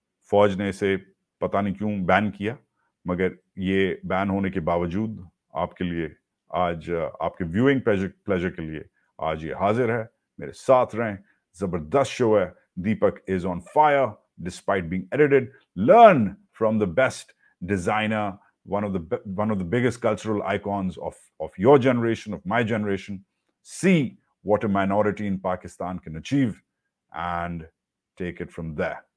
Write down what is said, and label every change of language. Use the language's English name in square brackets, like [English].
[Urdu] فوج نے اسے پتہ نہیں کیوں بین کیا, مگر یہ بین ہونے کے باوجود آپ کے لیے آج, آپ کے ویوئنگ پلیجر کے لیے آج یہ حاضر ہے. میرے ساتھ رہیں, زبردست شو ہے. دیپک [English] Is on fire despite being edited. Learn from the best designer, one of the biggest cultural icons of your generation, of my generation. See what a minority in Pakistan can achieve and take it from there.